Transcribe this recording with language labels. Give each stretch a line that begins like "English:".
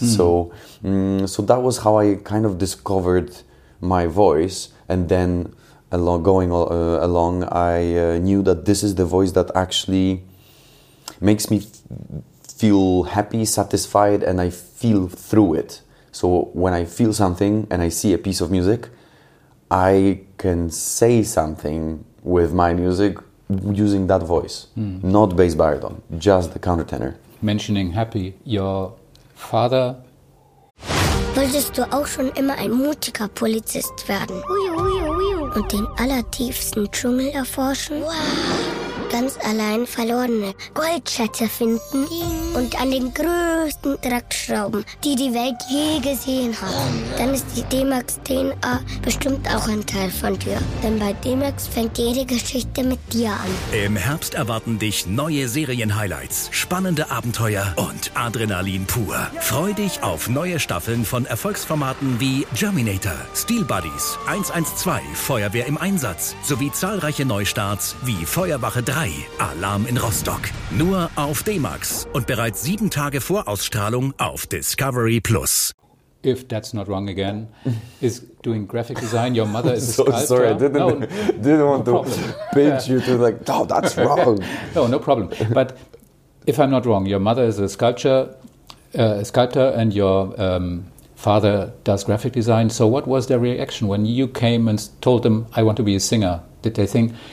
English: Mm-hmm. So that was how I kind of discovered my voice, and then along, I knew that this is the voice that actually makes me feel happy, satisfied, and I feel through it. So when I feel something and I see a piece of music, I can say something with my music using that voice, not bass baritone, just the countertenor. Mentioning happy, your father.
German: Wolltest du auch schon immer ein mutiger Polizist werden? Ui, ui, ui, ui. Und den allertiefsten Dschungel erforschen? Wow. Ganz allein verlorene Goldschätze finden? Ding. Und an den größten Dreckschrauben, die die Welt je gesehen hat? Oh, ja. Dann ist die D-Max DNA bestimmt auch ein Teil von dir. Denn bei D-Max fängt jede Geschichte mit dir an. Im Herbst erwarten dich neue Serien-Highlights, spannende Abenteuer und Adrenalin pur. Freu dich auf neue Staffeln von Erfolgsformaten wie Germinator, Steel Buddies, 112, Feuerwehr im Einsatz, sowie zahlreiche Neustarts wie Feuerwache 3, Alarm in Rostock. Nur auf D-Max und bereits 7 Tage vor Ausstrahlung auf Discovery Plus.
English: If that's not wrong again, is doing graphic design, your mother is so a sculptor. Sorry, I didn't want no to pinch you to like, no, oh, that's wrong. No, no problem. But if I'm not wrong, your mother is a sculptor and your father does graphic design. So what was their reaction when you came and told them, I want to be a singer? Did they think,